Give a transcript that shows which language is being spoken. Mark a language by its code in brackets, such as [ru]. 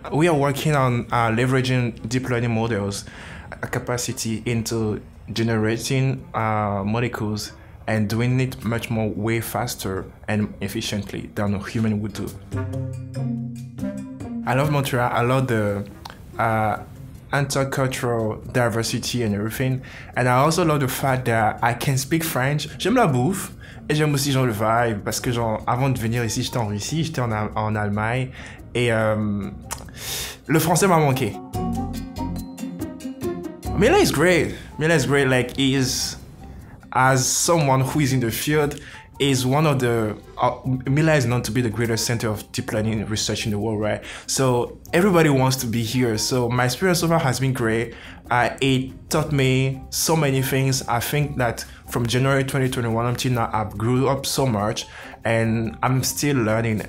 [en] We are working on leveraging deep learning models capacity into generating molecules and doing it much more way faster and efficiently than a human would do. I love Montreal, I love the intercultural diversity and everything. And I also love the fact that I can speak French. [fr] J'aime la bouffe et j'aime aussi genre le vibe parce que genre avant de venir ici, j'étais en Russie, j'étais en Allemagne et le français m'a manqué. [en] Mila is great. Mila is great, like is as someone who is in the field. Is one of the, Mila is known to be the greatest center of deep learning research in the world, right? So everybody wants to be here. So my experience so far has been great. It taught me so many things. I think that from January 2021 until now, I've grew up so much and I'm still learning.